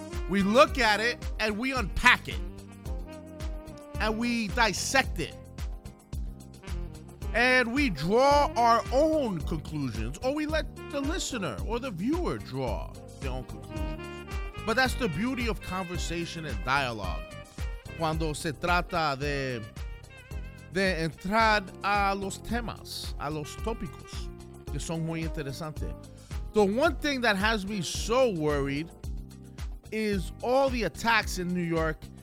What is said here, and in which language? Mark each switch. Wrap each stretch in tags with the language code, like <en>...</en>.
<en>We look at it, and we unpack it. And we dissect it. And we draw our own conclusions, or we let the listener or the viewer draw their own conclusions. But that's the beauty of conversation and dialogue.</en> <es>Cuando se trata de entrar a los temas, a los tópicos, que son muy interesantes.</es> <en>The one thing that has me so worried is all the attacks in New York.</en>